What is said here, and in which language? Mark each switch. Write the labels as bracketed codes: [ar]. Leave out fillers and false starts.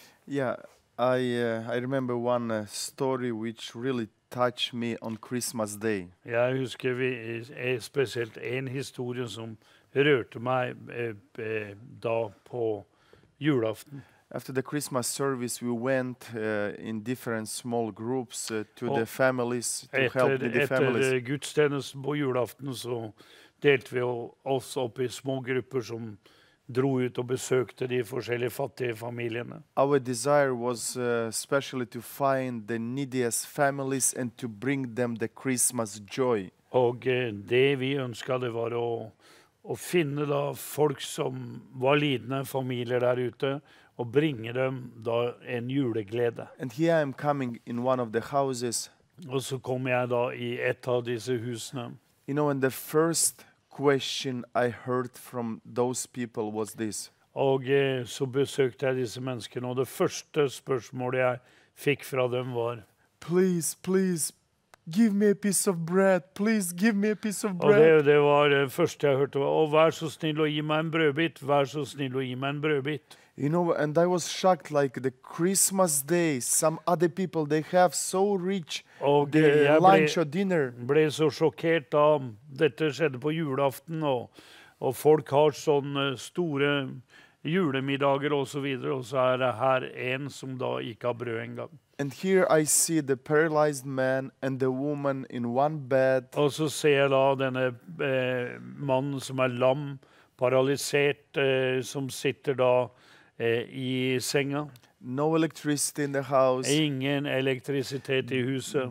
[en] Yeah, I remember one story which really touch me on Christmas Day. [no] Jeg husker vi spesielt en historie som rørte meg da på julaften. [en] After the Christmas service, we went in different small groups to the families to help the families. [no] Etter gudstjenesten på julaften så delte vi oss opp i små grupper som dro ut og besøkte de forskjellige fattige familiene. [en] Our desire was especially to find the neediest families and to bring them the Christmas joy. [no] Og det vi ønsket det var å finne da folk som var lidende familier der ute og bringe dem da en juleglede. [en] And here I am coming in one of the houses. [no] Og så kom jeg da i et av disse husene. [en] You know, and the first question I heard from those people was this. [no] Og så besøkte jeg disse menneskene, og det første spørsmålet jeg fikk fra dem var, [en] please, please, give me a piece of bread. Please, give me a piece of bread. [no] Og det var det første jeg hørte, og vær så snill og gi meg en brødbit. Vær så snill og gi meg en brødbit. [en] You know, and I was shocked, like the Christmas day, some other people, they have so rich lunch or dinner. [no] Jeg ble så sjokkert da dette skjedde på julaften, og folk har sånne store julemiddager og så videre, og så er det her en som da ikke har brød engang. [en] And here I see the paralyzed man and the woman in one bed. [no] Og så ser jeg da denne mannen som er lam, paralysert, som sitter da i senga. [en] No electricity in the house. [no] Ingen elektrisitet i huset.